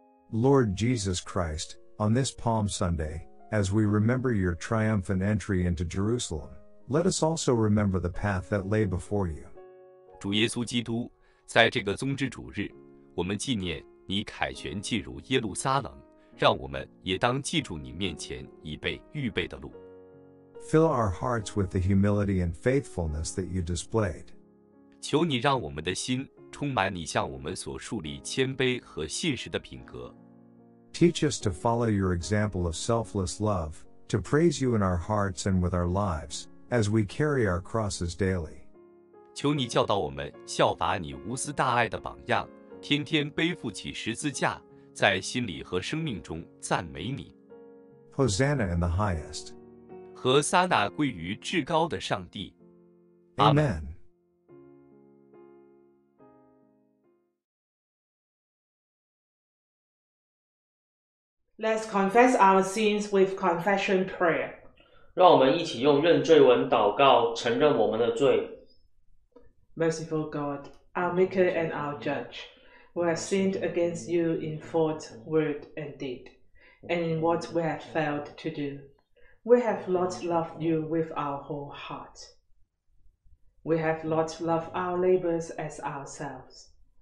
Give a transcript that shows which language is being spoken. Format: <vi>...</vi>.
<en>Lord Jesus Christ, on this Palm Sunday, as we remember your triumphant entry into Jerusalem, let us also remember the path that lay before you.</en> <zh>主耶稣基督，在这个宗之主日，我们纪念你凯旋进入耶路撒冷，让我们也当记住你面前已被预备的路。</zh> <en>Fill our hearts with the humility and faithfulness that you displayed.</en> <zh>求你让我们的心充满你向我们所树立谦卑和信实的品格。</zh> <en>Teach us to follow your example of selfless love, to praise you in our hearts and with our lives, as we carry our crosses daily.</en> <zh>求你教导我们效法你无私大爱的榜样，天天背负起十字架，在心里和生命中赞美你。</zh> <en>Hosanna in the highest.</en> <zh>何撒那归于至高的上帝。</zh> <en>Amen. Let's confess our sins with confession prayer.</en> <zh>让我们一起用认罪文祷告，承认我们的罪。</zh> <en>Merciful God, our Maker and our Judge, we have sinned against you in thought, word, and deed, and in what we have failed to do. We have not loved you with our whole heart. We have not loved our neighbors as ourselves.</en>